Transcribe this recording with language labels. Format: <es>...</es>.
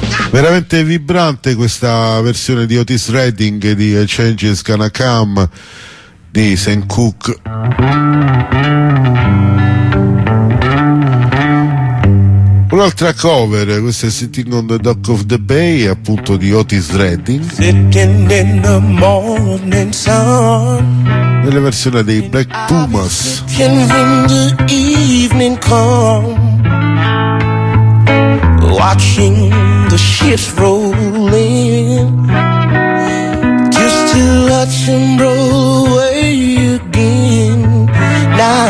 <it>Veramente vibrante questa versione di Otis Redding di A Change Is Gonna Come di Sam Cooke. Un'altra cover, questa è Sitting on the Dock of the Bay, appunto di Otis Redding.</it> <en>Sitting in the morning sun,</en> <it>nella versione dei Black Pumas.</it> <en>Can when the evening come, watching the ships roll in, just to watch them roll away again. Now</en>